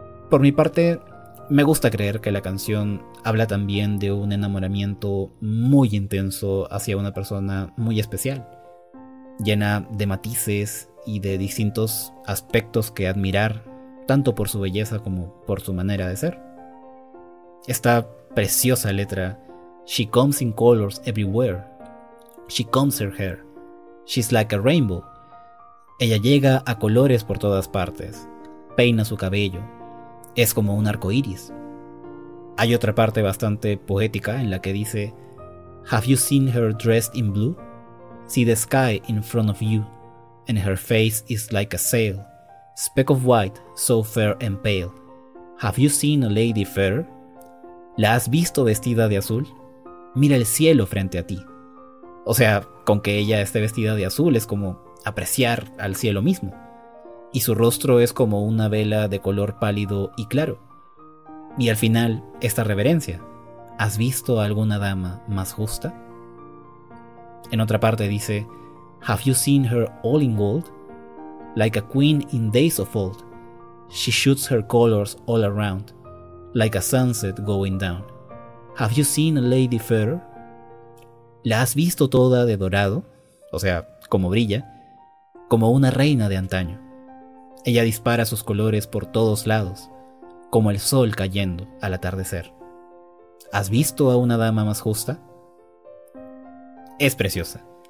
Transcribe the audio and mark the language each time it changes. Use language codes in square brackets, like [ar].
[es] Por mi parte, me gusta creer que la canción habla también de un enamoramiento muy intenso hacia una persona muy especial, llena de matices y de distintos aspectos que admirar, tanto por su belleza como por su manera de ser. Esta preciosa letra, [en] "She comes in colors everywhere, she combs her hair, she's like a rainbow." [es] Ella llega a colores por todas partes, peina su cabello, es como un arco iris. Hay otra parte bastante poética en la que dice, [en] "Have you seen her dressed in blue? See the sky in front of you, and her face is like a sail, speck of white, so fair and pale. Have you seen a lady fair? [es] ¿La has visto vestida de azul? Mira el cielo frente a ti." O sea, con que ella esté vestida de azul es como apreciar al cielo mismo. Y su rostro es como una vela de color pálido y claro. Y al final, esta reverencia. ¿Has visto a alguna dama más justa? En otra parte dice, [en] Have you seen her all in gold? Like a queen in days of old, she shoots her colors all around, like a sunset going down. Have you seen a lady fair? [es] ¿La has visto toda de dorado? O sea, como brilla, como una reina de antaño. Ella dispara sus colores por todos lados, como el sol cayendo al atardecer. ¿Has visto a una dama más justa? Es preciosa.